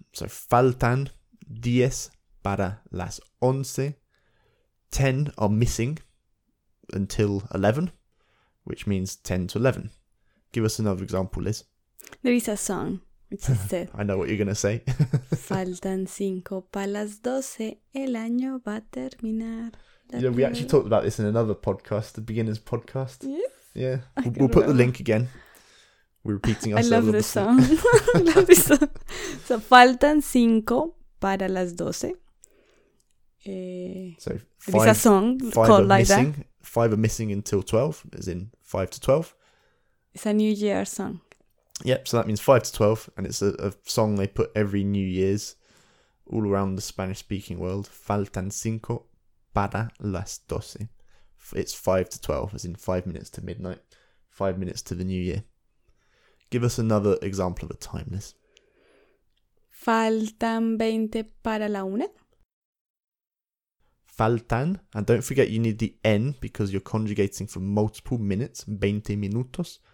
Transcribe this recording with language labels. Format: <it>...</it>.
<es>So faltan 10 para las 11.</es> <en>10 are missing until 11, which means 10 to 11. Give us another example, Liz. There is a song which is said. I know what you're going to say.</en> <es>Faltan 5 para las 12, el año va a terminar.</es> <en>we actually talked about this in another podcast, the beginner's podcast. Yes. Yeah. We'll put the link again. We're repeating ourselves. I love this song. I love this song. So, faltan cinco para las doce. So, five, it's a song five called like missing, that. Five are missing until 12, as in 5 to 12. It's a New Year song. Yep, so that means 5 to 12, and it's a song they put every New Year's all around the Spanish-speaking world.</en> <es>Faltan cinco para las doce.</es> <en>It's 5 to 12, as in 5 minutes to midnight, 5 minutes to the New Year. Give us another example of a timeless.</en> <es>Faltan 20 para la una.</es> <en>Faltan, and don't forget you need the N because you're conjugating for multiple minutes, 20 minutos.</en>